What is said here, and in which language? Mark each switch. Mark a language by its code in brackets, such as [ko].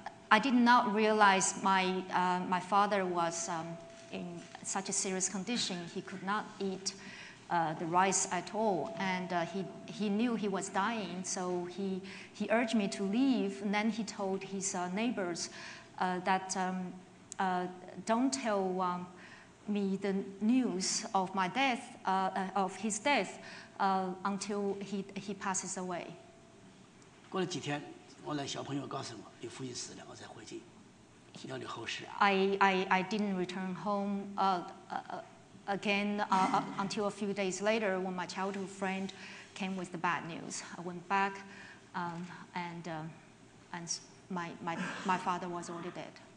[en] I did not realize my father was in such a serious condition, he could not eat the rice at all, and he knew he was dying, so he urged me to leave, and then he told his neighbors that don't tell me the news of my death, of his death, until he passes away. [zh] 过了几天，我那小朋友告诉我，你父亲死了，我才回去。 [en] I didn't return home again until a few days later when my childhood friend came with the bad news. I went back and my father was already dead.